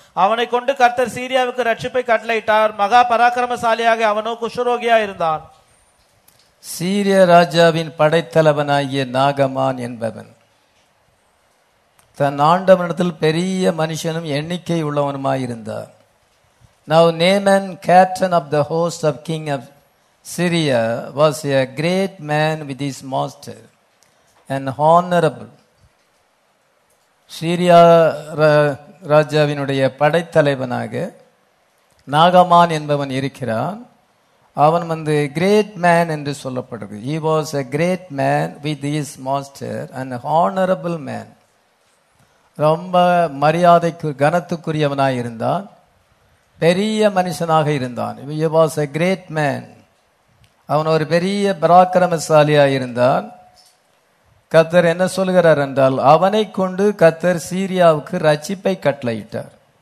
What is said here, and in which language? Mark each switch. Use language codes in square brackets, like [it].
[ta] அவனை கொண்டு கர்த்தர் சீரியாவுக்கு ரட்சிப்பை கட்டளையிட்டார். மகா பராக்கிரமசாலியாக அவனோ குஷரோகியா இருந்தான். சீரிய ராஜாவின் படைத்தலைவனாகிய நாகமான் என்பவன் தன் ஆண்டவனிடத்தில் பெரிய மனுஷனும் எண்ணிக்கை உள்ளவனுமாயிருந்தார். [en] Now Naaman, captain of the host of king of Syria, was a great man with his master and honorable. [ta] Syria ராஜாவினுடைய படைத்தலைவனாக நாகமான் என்பவன் இருக்கிறான். அவன் வந்து [en] great man [ta] என்று சொல்லப்படுகிறது. [en] He was a great man with his master and honorable man. [ta] ரொம்ப மரியாதைக்கு கனத்துக்குரியவனாக இருந்தான். பெரிய மனுஷனாக இருந்தான். [en] He was a great man. [ta] அவன் ஒரு பெரிய பராக்கிரமசாலியாக இருந்தான். கர்த்தர் என்ன சொல்கிறார் என்றால், அவனை கொண்டு கர்த்தர் சீரியாவுக்கு ரட்சிப்பை கட்டளையிட்டார்.